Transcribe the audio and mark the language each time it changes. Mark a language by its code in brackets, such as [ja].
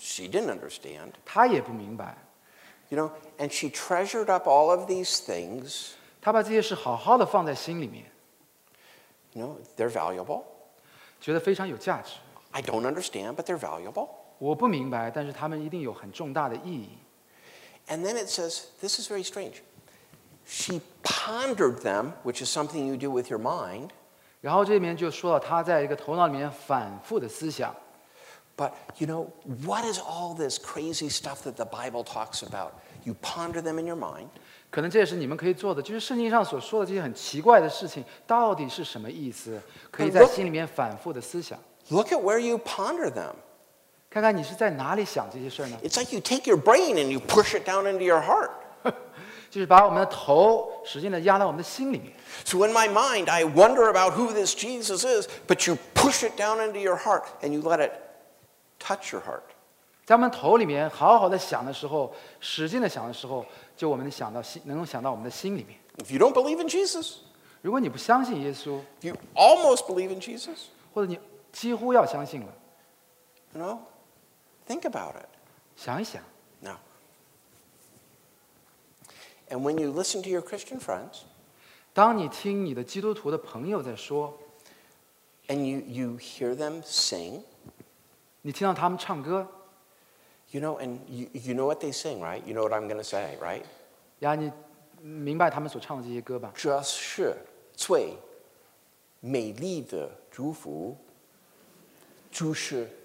[en] She didn't understand. [zh] 她也不明白。 [en] You know, and she treasured up all of these things. [zh] 她把这些事好好的放在心里面。 [en] You know, they're valuable. [zh] 觉得非常有价值。 [en] I don't understand, but they're valuable. [zh] 我不明白，但是他们一定有很重大的意义。 [en] And then it says, this is very strange. She pondered them, which is something you do with your mind. [zh] 然后这边就说到她在一个头脑里面反复的思想。 [en] But, you know, what is all this crazy stuff that the Bible talks about? You ponder them in your mind. [zh] 可能这也是你们可以做的，就是圣经上所说的这些很奇怪的事情，到底是什么意思？可以在心里面反复的思想。 [en] Look at where you ponder them. [zh] 看看你是在哪里想这些事呢？ [en] It's like you take your brain and you push it down into your heart. [zh] 就是把我们的头使劲的压到我们的心里面。 [en] So in my mind, I wonder about who this Jesus is, but you push it down into your heart and you let it touch your heart. [zh] 在我们头里面好好的想的时候，使劲的想的时候，就我们想到能够想到我们的心里面。 [en] If you don't believe in Jesus, [zh] 如果你不相信耶稣， [en] if you almost believe in Jesus, [zh] 或者你几乎要相信了。 [en] You know, think about it. [zh] 想一想。 [en] Now, and when you listen to your Christian friends, [zh] 当你听你的基督徒的朋友在说， [en] and you hear them sing, [zh] 你听到他们唱歌， [en] you know, and you know what they sing, right? You know what I'm going to say, right? [zh] 呀，你明白他们所唱的这些歌吧？这是最美丽的祝福，就是。